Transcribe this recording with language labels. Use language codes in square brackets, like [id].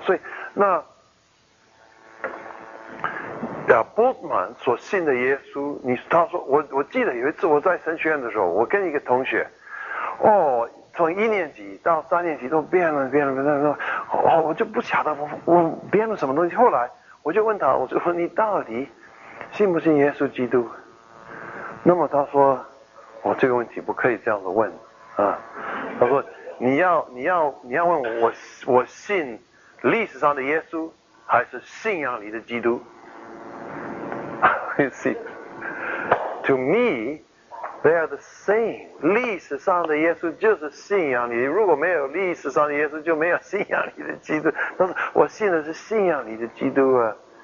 [zh] 所以那Bultmann 所信的耶稣，他说我记得有一次我在神学院的时候，我跟一个同学从一年级到三年级都变了，我就不晓得我变了什么东西。后来我就问他，我就说你到底信不信耶稣基督？那么他说我这个问题不可以这样子问啊。他说你要问我信历史上的耶稣还是信仰里的基督。 [en] You see, to me, they are the same. [zh] 历史上的耶稣就是信仰里，如果没有历史上的耶稣就没有信仰里的基督。他说我信的是信仰里的基督啊。